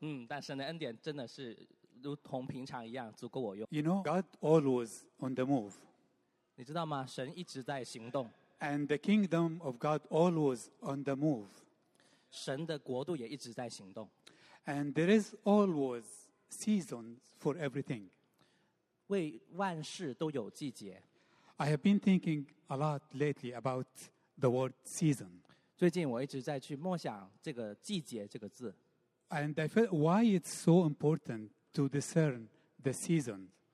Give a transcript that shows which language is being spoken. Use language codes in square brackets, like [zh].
[zh] 但神的恩典真的是如同平常一样足够我用。 [en] You know, God always on the move. [zh] 你知道吗？神一直在行动。 [en] And the kingdom of God always on the move. [zh] 神的国度也一直在行动。 [en] And there is always seasons for everything. [zh] 为万事都有季节。 [en] I have been thinking a lot lately about the word season. [zh] 最近我一直在去默想这个季节这个字。 [en] And I felt why it's so important to discern the season.